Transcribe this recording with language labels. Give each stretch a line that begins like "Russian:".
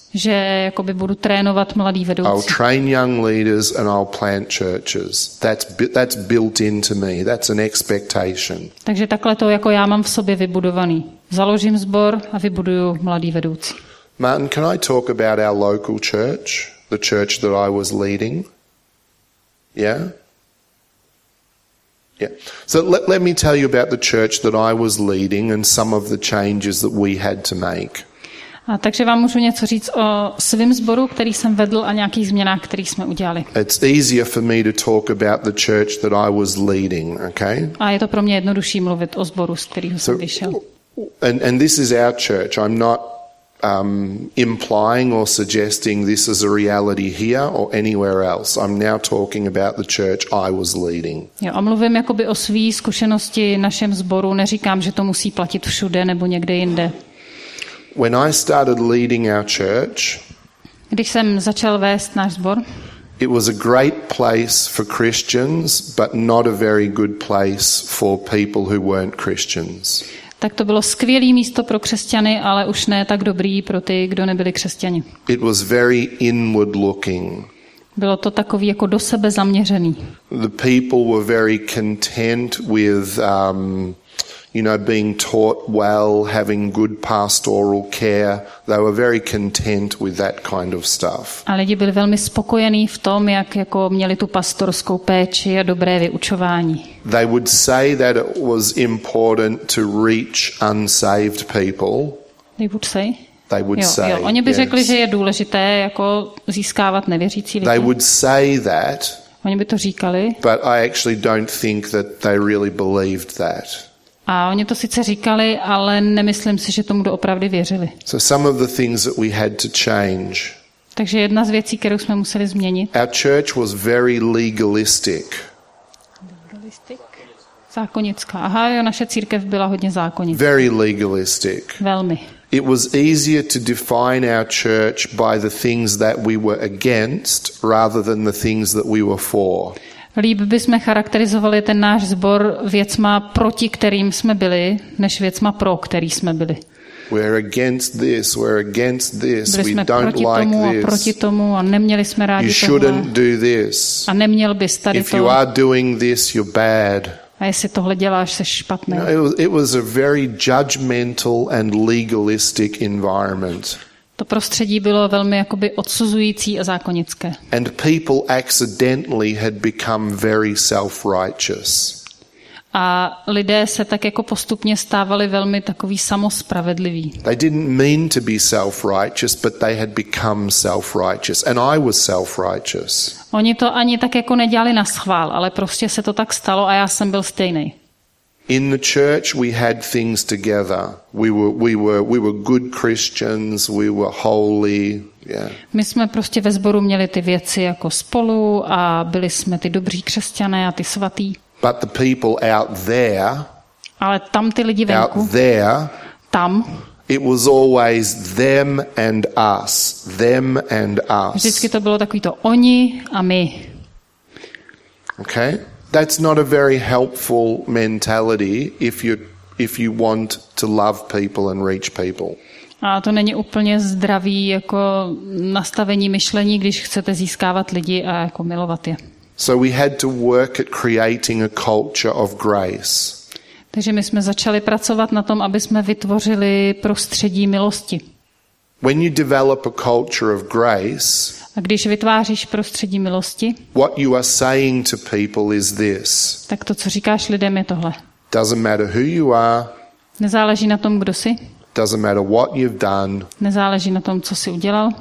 Czech: Že jakoby budu trénovat mladý vedoucí.
English: I'll train young leaders and I'll plant churches. That's built into me. That's an expectation.
Czech: Takže takhle to jako já mám v sobě vybudovaný. Založím sbor a vybuduju mladý vedoucí.
English: Martin, can I talk about our local church, the church that I was leading? Yeah. Yeah. So let me tell you about the church that I was leading and some of the changes that we had to make.
Czech: A takže vám můžu něco říct o svém sboru, který jsem vedl a nějakých změnách, které jsme udělali.
English: It's easier for me to talk about the church that I was leading, okay?
Czech: A je to pro mě jednodušší mluvit o sboru, z kterého jsem vyšel.
English: And this is our church. I'm not implying or suggesting this is a reality here or anywhere else. I'm now talking about the church I was leading.
Czech: Já mluvím jakoby o své zkušenosti našem sboru, neříkám, že to musí platit všude nebo někde jinde.
English: When I started leading our church,
Czech: když jsem začal vést náš sbor,
English: it was a great place for Christians, but not a very good place for people who weren't Christians.
Czech: Tak to bylo skvělé místo pro křesťany, ale už ne tak dobrý pro ty, kdo nebyli křesťani.
English: It was very inward looking.
Czech: Bylo to takový jako do sebe zaměřený.
English: The people were very content with you know, being taught well, having good pastoral care. They were very content with that kind of stuff.
Czech: A lidi byli velmi spokojení v tom, jak jako měli tu pastorskou péči a dobré vyučování.
English: They would say that it was important to reach unsaved people. They would say.
Czech: Oni by řekli, že je důležité jako získávat nevěřící lidi.
English: They would say that.
Czech: Oni by to říkali.
English: But I actually don't think that they really believed that.
Czech: A oni to sice říkali, ale nemyslím si, že tomu doopravdy věřili.
English: So some of the things that we had to change.
Czech: Takže jedna z věcí, kterou jsme museli změnit.
English: Our church was very legalistic.
Czech: Zákonická. Aha, jo, naše církev byla hodně zákonická.
English: Very legalistic.
Czech: Velmi.
English: It was easier to define our church by the things that we were against rather than the things that we were for.
Czech: Líb bychom charakterizovali ten náš sbor věcma, proti kterým jsme byli, než věcma, pro který jsme byli.
English: We're against this.
Czech: Byli jsme proti tomu a proti tomu a neměli jsme rádi tohle.
English: You shouldn't do this.
Czech: A neměl bys tady to.
English: If you are doing this, you're bad.
Czech: A jestli tohle děláš, jsi špatný.
English: You know, it was a very judgmental and legalistic environment.
Czech: To prostředí bylo velmi jakoby odsuzující a zákonické.
English: And people accidentally had become very self-righteous.
Czech: A lidé se tak jako postupně stávali velmi takový samospravedliví.
English: They didn't mean to be self-righteous, but they had become self-righteous, and I was self-righteous.
Czech: Oni to ani tak jako nedělali na schvál, ale prostě se to tak stalo a já jsem byl stejný.
English: In the church we had things together. We were good Christians, we were holy. Yeah.
Czech: My jsme prostě ve sboru měli ty věci jako spolu a byli jsme ty dobří křesťané a ty svatý.
English: But the people out there.
Czech: Ale tam ty lidi venku.
English: Out there.
Czech: Tam.
English: It was always them and us. Them and us.
Czech: Vždycky to bylo takový to oni a my.
English: Okay? That's not a very helpful mentality if you want to love people and reach people.
Czech: A to není úplně zdravý jako nastavení myšlení, když chcete získávat lidi a jako milovat je.
English: So we had to work at creating a culture of grace.
Czech: Takže my jsme začali pracovat na tom, aby jsme vytvořili prostředí milosti.
English: When you develop a culture of grace,
Czech: a když vytváříš prostředí milosti,
English: what you are saying to people is this.
Czech: Tak to, co říkáš lidem, je tohle.
English: Doesn't matter who you are.
Czech: Nezáleží na tom, kdo jsi.
English: Doesn't matter what you've done.
Czech: Nezáleží na tom, co jsi udělal.